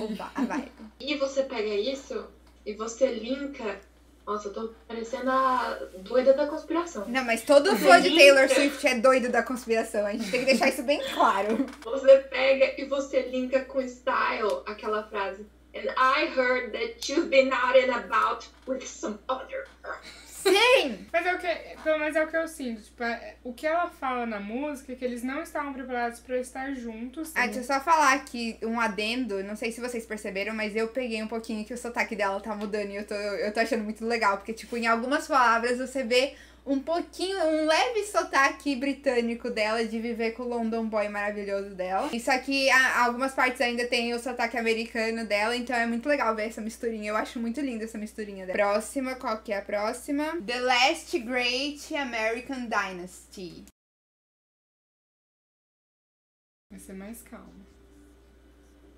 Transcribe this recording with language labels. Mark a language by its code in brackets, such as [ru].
[pt] Opa, a vibe. E você pega isso e você linka. Nossa, eu tô parecendo a doida da conspiração. Não, mas todo fã de Taylor Swift é doido da conspiração. A gente tem que deixar isso bem claro. Você pega e você linka com style aquela frase. [en] And I heard that you've been out and about with some other [pt] girl. Sim! Mas é o que, pelo menos é o que eu sinto. Tipo, o que ela fala na música é que eles não estavam preparados pra estar juntos. Ah, deixa eu só falar aqui um adendo. Não sei se vocês perceberam, mas eu peguei um pouquinho que o sotaque dela tá mudando. E eu tô achando muito legal. Porque, tipo, em algumas palavras você vê um pouquinho, um leve sotaque britânico dela de viver com o London Boy maravilhoso dela. Isso aqui, algumas partes ainda tem o sotaque americano dela, então é muito legal ver essa misturinha. Eu acho muito linda essa misturinha dela. Próxima, qual que é a próxima? [en] The Last Great American Dynasty. [pt] Vai ser mais calma. Ou não?